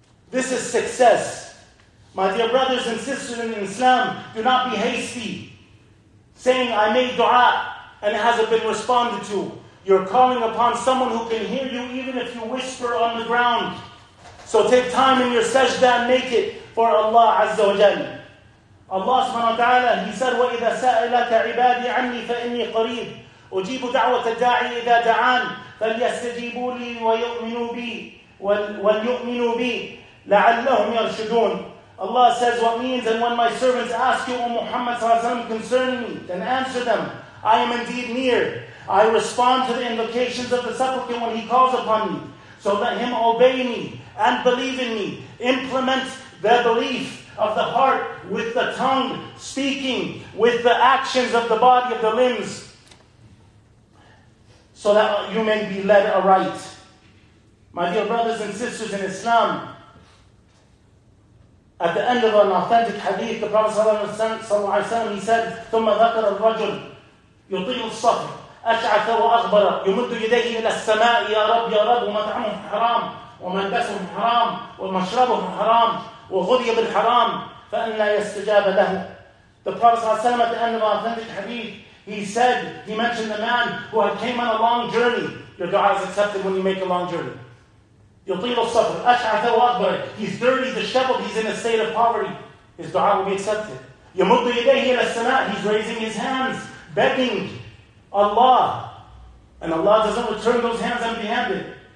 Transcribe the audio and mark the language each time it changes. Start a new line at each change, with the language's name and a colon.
English: This is success. My dear brothers and sisters in Islam, do not be hasty saying, I made dua and it hasn't been responded to. You're calling upon someone who can hear you even if you whisper on the ground. So take time in your sajda and make it for Allah Azza wa Jal. Allah subhanahu wa ta'ala, He said,
Arabic: وَإِذَا سَأَلَكَ عِبَادِي عَنِّي فَإِنِّي قَرِيبٌ أُجِيبُ دَعْوَةَ الدَّاعِي إِذَا دَعَانِ فَلْيَسْتَجِيبُوا لِي وَلْيُؤْمِنُوا بِي لَعَلَّهُمْ يَرْشُدُونَ.
English: Allah says what means, and when my servants ask you, O Muhammad sallallahu alayhi wa sallam, concerning me, then answer them, I am indeed near. I respond to the invocations of the supplicant when he calls upon me. So let him obey me and believe in me. Implement the belief of the heart with the tongue, speaking with the actions of the body, of the limbs, so that you may be led aright. My dear brothers and sisters in Islam, at the end of an authentic hadith, the Prophet ﷺ, he said,
Arabic: ثُمَّ ذَكَرَ الرَّجُلُ يُطِيلُ الصَّفْرِ أشعث وأغبر يمد يديه إلى السماء يا رب يا رب, ومطعمهم حرام وملبسهم حرام ومشربهم حرام وغذي بالحرام فأنا يستجاب له.
English: The Prophet ﷺ, at the end of an authentic hadith, he mentioned the man who had came on a long journey. Your dua is accepted when you make a long journey.
Arabic: يطيل الصبر أشعث وأغبر,
English: he's dirty, disheveled, he's in a state of poverty, his dua will be accepted.
Arabic: يمد يديه إلى السماء,
English: he's raising his hands, begging Allah, and Allah doesn't return those hands empty-handed.